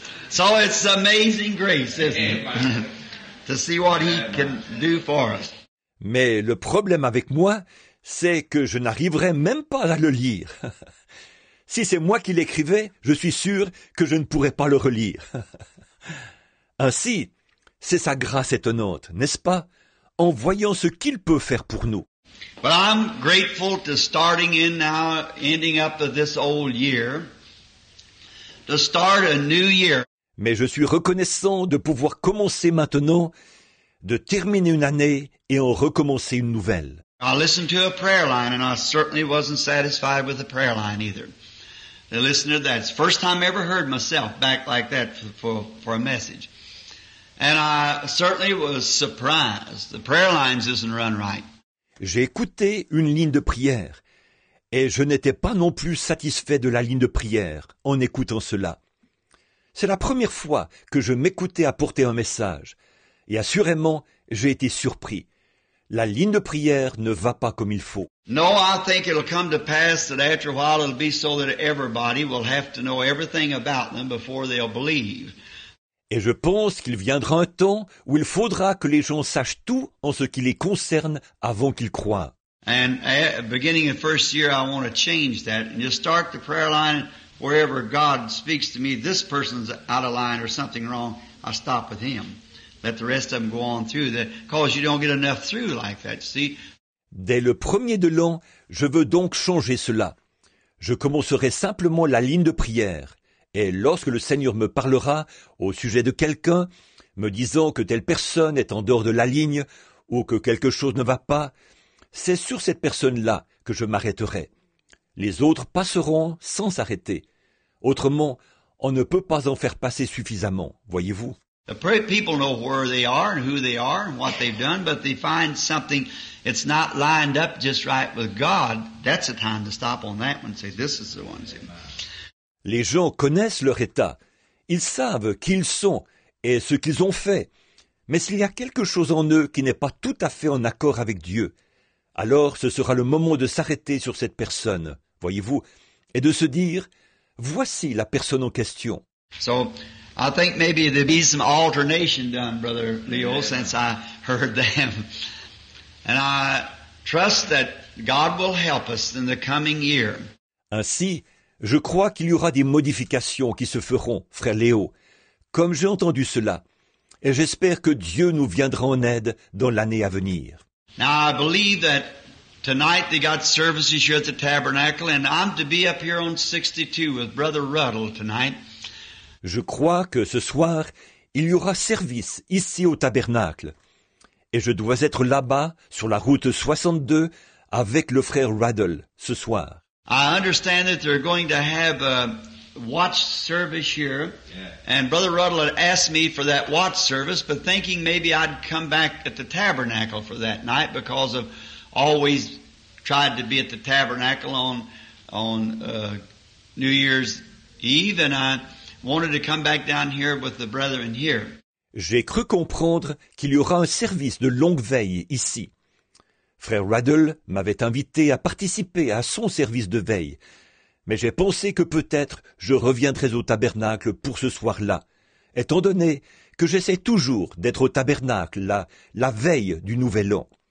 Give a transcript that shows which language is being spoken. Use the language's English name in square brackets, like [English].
[English] So it's amazing grace, isn't it? To see what he can do for us. [French] Mais le problème avec moi, c'est que je n'arriverai même pas à le lire. Si c'est moi qui l'écrivais, je suis sûr que je ne pourrais pas le relire. Ainsi, c'est sa grâce étonnante, n'est-ce pas, en voyant ce qu'il peut faire pour nous. [English] But I'm grateful to starting in now, ending up of this old year, to start a new year. [French] Mais je suis reconnaissant de pouvoir commencer maintenant, de terminer une année et en recommencer une nouvelle. [English] I listened to a prayer line and I certainly wasn't satisfied with the prayer line either. They listened to that. It's the first time I ever heard myself back like that for a message. And I certainly was surprised. The prayer lines isn't run right. [French] J'ai écouté une ligne de prière et je n'étais pas non plus satisfait de la ligne de prière en écoutant cela. C'est la première fois que je m'écoutais apporter un message et assurément j'ai été surpris. La ligne de prière ne va pas comme il faut. [English] No, I think it'll come to pass that after a while it'll be so that everybody will have to know everything about them before they'll believe. [French] Et je pense qu'il viendra un temps où il faudra que les gens sachent tout en ce qui les concerne avant qu'ils croient. [English] And at the beginning of the first year, I want to change that. And just start the prayer line wherever God speaks to me, this person's out of line or something wrong, I stop with him. Let the rest of them go on through that, because you don't get enough through like that, see? [French] Dès le premier de l'an, je veux donc changer cela. Je commencerai simplement la ligne de prière. Et lorsque le Seigneur me parlera au sujet de quelqu'un, me disant que telle personne est en dehors de la ligne ou que quelque chose ne va pas, c'est sur cette personne-là que je m'arrêterai. Les autres passeront sans s'arrêter. Autrement, on ne peut pas en faire passer suffisamment, voyez-vous. [English] The people know where they are and who they are and what they've done, but they find something, it's not lined up just right with God. That's the time to stop on that one and say, this is the one. [French] Les gens connaissent leur état, ils savent qui ils sont et ce qu'ils ont fait. Mais s'il y a quelque chose en eux qui n'est pas tout à fait en accord avec Dieu, alors ce sera le moment de s'arrêter sur cette personne, voyez-vous, et de se dire, voici la personne en question. [English] So, I think maybe there'd be some alternation done, Brother Leo, since I heard them. And I trust that God will help us in the coming year. [French] Ainsi, je crois qu'il y aura des modifications qui se feront, frère Léo, comme j'ai entendu cela, et j'espère que Dieu nous viendra en aide dans l'année à venir. [English] Now I believe that tonight they got services here at the tabernacle, and I'm to be up here on 62 with Brother Ruddle tonight. [French] Je crois que ce soir, il y aura service ici au tabernacle, et je dois être là-bas, sur la route 62, avec le frère Ruddle ce soir. [English] I understand that they're going to have a watch service here. Yeah. And Brother Ruddle had asked me for that watch service, but thinking maybe I'd come back at the tabernacle for that night because I've always tried to be at the tabernacle on New Year's Eve, and I wanted to come back down here with the brethren here. [French] J'ai cru comprendre qu'il y aura un service de longue veille ici. Frère Ruddle m'avait invité à participer à son service de veille, mais j'ai pensé que peut-être je reviendrais au tabernacle pour ce soir-là, étant donné que j'essaie toujours d'être au tabernacle la veille du nouvel an.